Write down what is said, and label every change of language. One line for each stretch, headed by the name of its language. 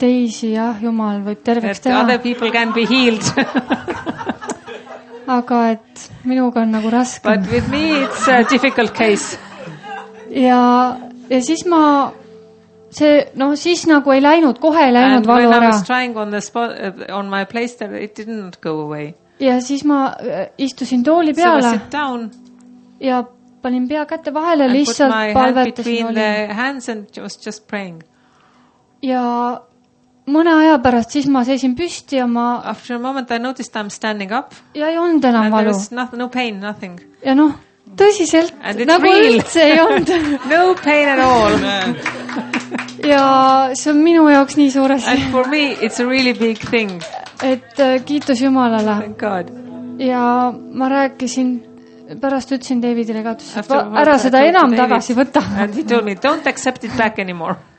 Estonian: Teisi, jah, Jumal võib terveks
English: teha. Other people can be healed.
Estonian: Aga et minuga on nagu raske.
English: But with me it's a difficult case.
Estonian: Ja siis ma... See, no siis nagu ei läinud, kohe ei läinud valu ära.
English: And when I was trying on, the spot, on my place there, it didn't go away.
Estonian: Ja siis ma istusin tooli peale.
English: So I sit down.
Estonian: Ja panin pea kätte vahele, lihtsalt palvetasin olin. Ja mõne aja pärast siis ma seisin püsti ja ma...
English: After a moment I noticed I'm standing up.
Estonian: Ja ei olnud enam valu.
English: No pain, nothing.
Estonian: Ja noh, tõsiselt, nagu üldse ei olnud.
English: No pain at all.
Estonian: Ja see on minu jaoks nii suures.
English: And for me it's a really big thing.
Estonian: Et kiitus Jumalale.
English: Thank God.
Estonian: Ja ma rääkisin, pärast ütlesin Davidile ka, et ära seda enam tagasi võtta.
English: And he told me, don't accept it back anymore.